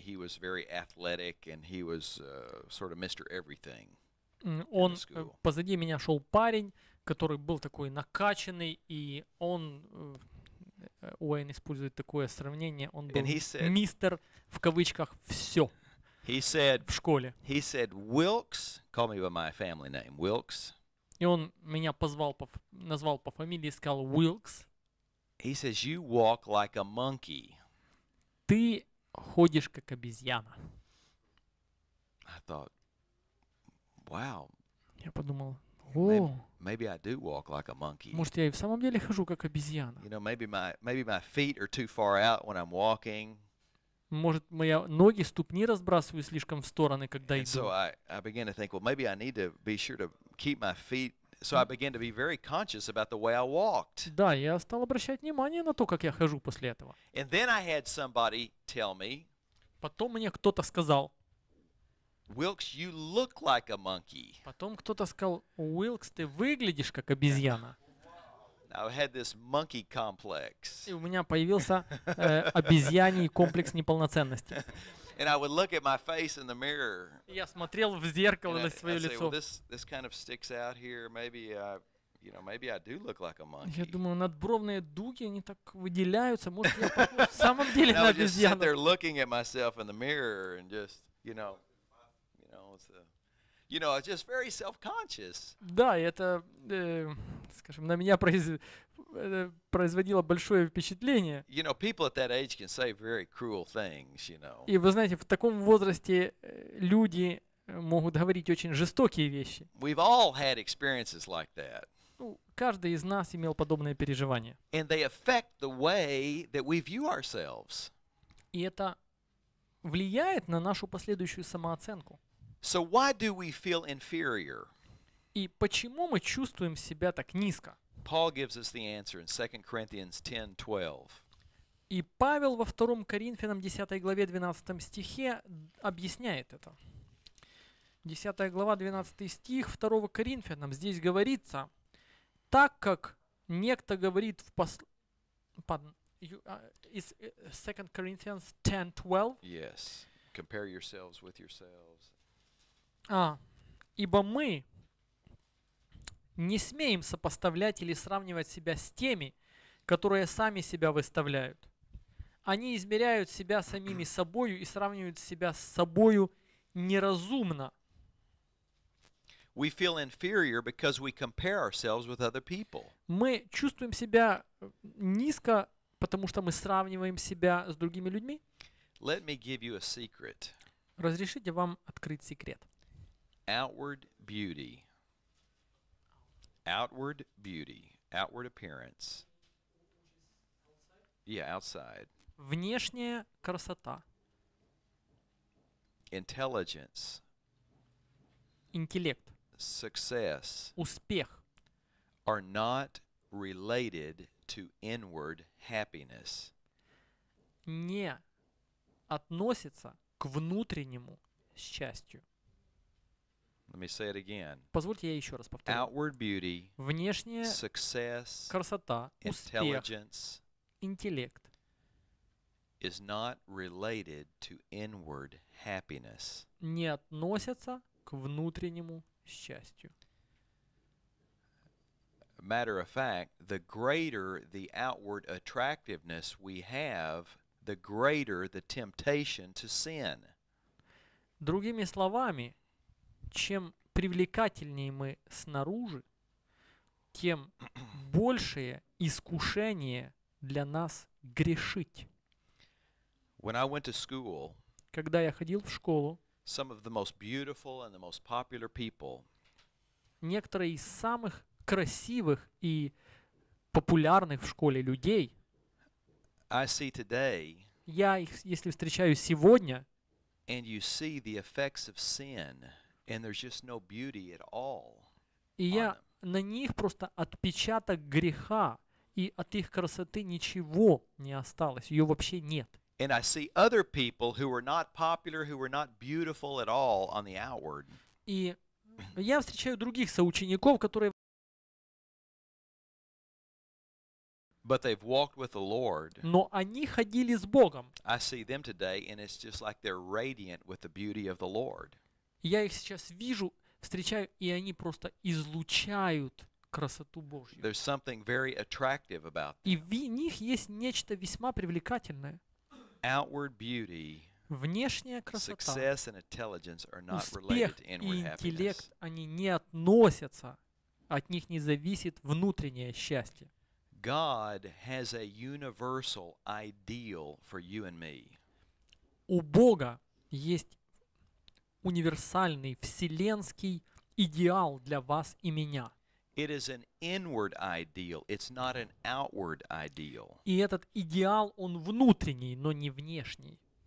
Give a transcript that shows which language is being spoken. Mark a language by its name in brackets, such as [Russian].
[English] He was very athletic and he was sort of Mr. Everything. [Russian] Он позади меня шел парень, который был такой накачанный, и он, Уэйн использует такое сравнение, он был мистер, в кавычках, все в школе. [English] He said, Wilkes, call me by my family name, Wilkes. [Russian] И он меня назвал по фамилии, сказал Wilkes. [English] He says, you walk like a monkey. [Russian] Ты ходишь как обезьяна. [English] I thought, wow. [Russian] Я подумал, [English] maybe I do walk like a monkey. [Russian] Может, я и в самом деле хожу как обезьяна. [English] You know, maybe my feet are too far out when I'm walking. [Russian] Может, мои ноги, ступни разбрасываю слишком в стороны, когда иду. [English] So I began to think, well, maybe I need to be sure to keep my feet. So I began to be very conscious about the way I walked. [Russian] Да, я стал обращать внимание на то, как я хожу после этого. [English] And then I had somebody tell me. [Russian] Потом мне кто-то сказал. [English] Wilkes, you look like a monkey. [Russian] Потом кто-то сказал, Wilkes, ты выглядишь как обезьяна. [English] Now I had this monkey complex. [Russian] И у меня появился обезьяний комплекс неполноценности. [English] And I would look at my face in the mirror. [Russian] Я смотрел в зеркало на свое лицо. [English] Well, this kind of sticks out here. Maybe I do look like a monkey. [Russian] Я думаю, надбровные дуги, они так выделяются. Может, я в самом деле на обезьяну. [English] And I would just sit there looking at myself in the mirror and just, you know. You know, it's just very self-conscious. [Russian] Да, это, скажем, на меня производило большое впечатление. [English] You know, people at that age can say very cruel things, you know. [Russian] И вы знаете, в таком возрасте люди могут говорить очень жестокие вещи. [English] We've all had experiences like that. [Russian] Ну, каждый из нас имел подобное переживание. [English] And they affect the way that we view ourselves. [Russian] И это влияет на нашу последующую самооценку. [English] So why do we feel inferior? [Russian] И почему мы чувствуем себя так низко? [English] Paul gives us the answer in 2 Corinthians 10:12. [Russian] И Павел во 2 Коринфянам 10 главе 12 стихе объясняет это. 10 глава 12 стих 2 Коринфянам здесь говорится: так как некто говорит в [English] is 2 Corinthians 10:12? Yes. Compare yourselves with yourselves. [Russian] А, ибо мы не смеем сопоставлять или сравнивать себя с теми, которые сами себя выставляют. Они измеряют себя самими собою и сравнивают себя с собою неразумно. [English] We feel inferior because we compare ourselves with other people. [Russian] Мы чувствуем себя низко, потому что мы сравниваем себя с другими людьми. [English] Let me give you a secret. [Russian] Разрешите вам открыть секрет. [English] Outward appearance. Yeah, outside. [Russian] Внешняя красота. [English] Intelligence. [Russian] Интеллект. [English] Success. [Russian] Успех. [English] Are not related to inward happiness. [Russian] Не относится к внутреннему счастью. [English] Let me say it again. [Russian] Позвольте я еще раз повторю. [English] Outward beauty, [Russian] внешняя [English] success, [Russian] красота, [English] intelligence, [Russian] успех, интеллект, [English] is not related to inward happiness. [Russian] Не относятся к внутреннему счастью. [English] Matter of fact, the greater the outward attractiveness we have, the greater the temptation to sin. [Russian] Другими словами, чем привлекательнее мы снаружи, тем большее искушение для нас грешить. Когда я ходил в школу, [English] some of the most beautiful and the most popular people, [Russian] некоторые из самых красивых и популярных в школе людей, [English] I see today, [Russian] я их, если встречаю сегодня, [English] and you see the effects of sin, and there's just no beauty at all. [Russian] И я на них просто отпечаток греха, и от их красоты ничего не осталось, ее вообще нет. [English] And I see other people who were not popular, who were not beautiful at all on the outward. [Russian] И я встречаю других соучеников, которые [English] but they've walked with the Lord. [Russian] Но они ходили с Богом. [English] I see them today, and it's just like they're radiant with the beauty of the Lord. [Russian] Я их сейчас вижу, встречаю, и они просто излучают красоту Божью. [English] There's something very attractive about them. [Russian] И в них есть нечто весьма привлекательное. [English] Outward beauty, [Russian] внешняя красота, [English] success and intelligence are not [Russian] успех [English] related to inward [Russian] и интеллект, [English] happiness. [Russian] Они не относятся, от них не зависит внутреннее счастье. [English] God has a universal ideal for you and me. [Russian] У Бога есть универсальный вселенский идеал для вас и меня. [English] It is an inward ideal. It's not an outward ideal. [Russian] И этот идеал, он внутренний, но не внешний.